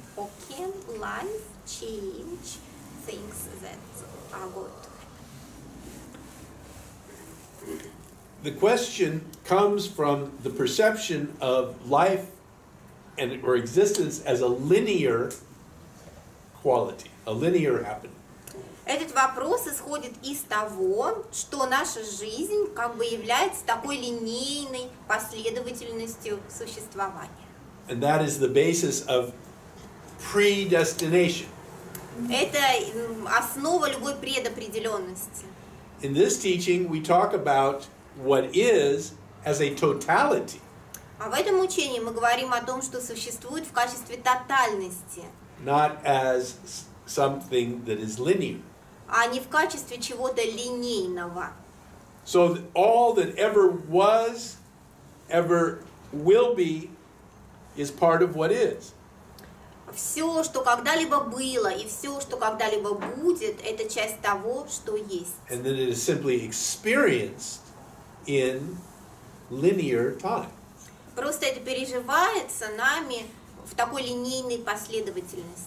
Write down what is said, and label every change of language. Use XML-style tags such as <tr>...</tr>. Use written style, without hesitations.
<en>Or can life change things that are going to happen? The question comes from the perception of life and or existence as a linear quality, a linear happening.</en> <ru>Этот вопрос исходит из того, что наша жизнь как бы является такой линейной последовательностью существования.</ru> <en>And that is the basis of predestination.</en> <ru>Это основа любой предопределенности.</ru> <en>In this teaching we talk about what is as a totality.</en> <ru>А в этом учении мы говорим о том, что существует в качестве тотальности.</ru> <en>Not as something that is linear.</en> <ru>А не в качестве чего-то линейного.</ru> <en>So all that ever was, ever will be, is part of what is.</en> <ru>Все, что когда-либо было, и все, что когда-либо будет, это часть того, что есть.</ru> <en>And then it is simply experienced in linear time.</en> <ru>Просто это переживается нами в такой линейной последовательности.</ru>